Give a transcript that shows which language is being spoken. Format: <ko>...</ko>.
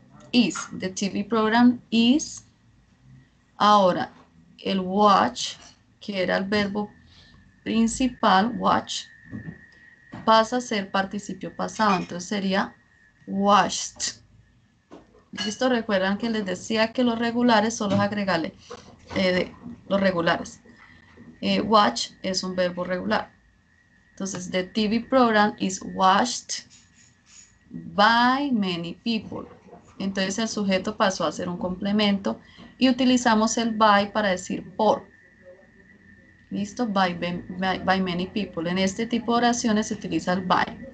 <en>Is, the TV program is.</en> <es>Ahora, el watch, que era el verbo principal, watch, pasa a ser participio pasado, entonces sería watched. ¿Listo? Recuerdan que les decía que los regulares solo es agregarle los regulares. Watch es un verbo regular. Entonces,</es> <en>the TV program is watched by many people.</en> <es>Entonces, el sujeto pasó a ser un complemento y utilizamos el by para decir por. ¿Listo?</es> <en>By many people.</en> <es>En este tipo de oraciones se utiliza el by.</es>